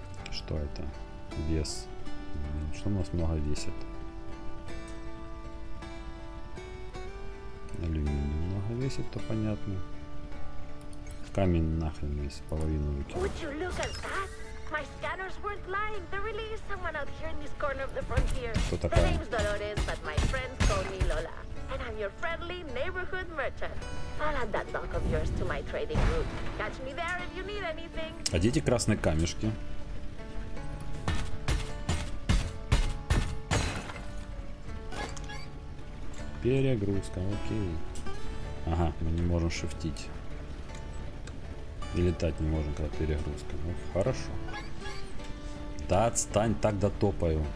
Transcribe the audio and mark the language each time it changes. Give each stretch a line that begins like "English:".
Russian: Что это? Вес. Что у нас много весит? Алюминий много весит, то понятно. Камень нахрен весь, половину выкинул.
English: My scanners weren't lying. There really is someone out here in this corner of the frontier. The name's Dolores, but my friends call me Lola. And I'm your friendly neighborhood merchant. I'll add that dock of yours to my trading route. Catch me there if you need anything.
Russian: А где эти красные камешки? Перегрузка, окей. Ага, мы не можем шифтить. И летать не можем, когда перегрузка. Ну, хорошо. Да отстань, так дотопаю.